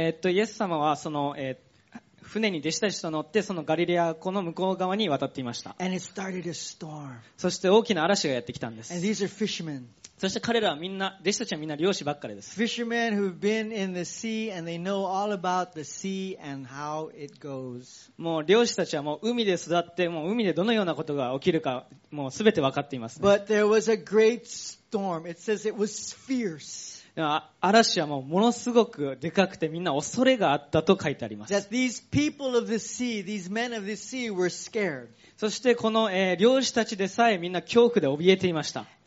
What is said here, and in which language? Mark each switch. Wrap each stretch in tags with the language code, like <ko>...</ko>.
<ja>イエス様はその、船に弟子たちと乗ってそのガリレア湖の向こう側に渡っていました。</ja> <en>And it started a storm.</en> <ja>そして大きな嵐がやってきたんです。</ja> <en>And these are fishermen.</en> <ja>そして彼らはみんな、弟子たちはみんな漁師ばっかりです。</ja> <en>Fishermen who've been in the sea and they know all about the sea and how it goes.</en> <ja>もう漁師たちはもう海で育って、もう海でどのようなことが起きるか、もうすべて分かっています、ね。</ja> <en>But there was a great storm. It says it was fierce.</en> <ja>嵐はもうものすごくでかくてみんな恐れがあったと書いてあります。そしてこの漁師たちでさえみんな恐怖で怯えていました。</ja>